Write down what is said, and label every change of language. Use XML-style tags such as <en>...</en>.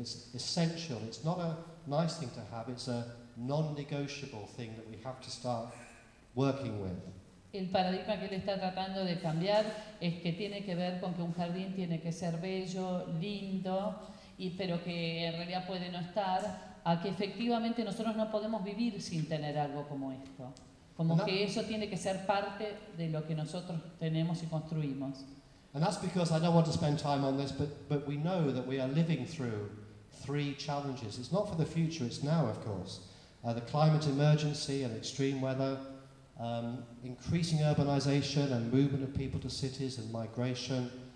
<en>It's essential. It's not a nice thing to have. It's a non-negotiable thing that we have to start working with.</en> <es>El paradigma que él está tratando de cambiar es que tiene que ver con que un jardín tiene que ser bello, lindo, y pero que en realidad puede no estar, a que efectivamente nosotros no podemos vivir sin tener algo como esto. Como que eso tiene que ser parte de lo que nosotros tenemos y construimos.</es> <en>And that's because I don't want to spend time on this, but we know that we are living through three challenges. It's not for the future, it's now, of course. The climate emergency and extreme weather, increasing urbanization and movement of people to cities and migration.</en>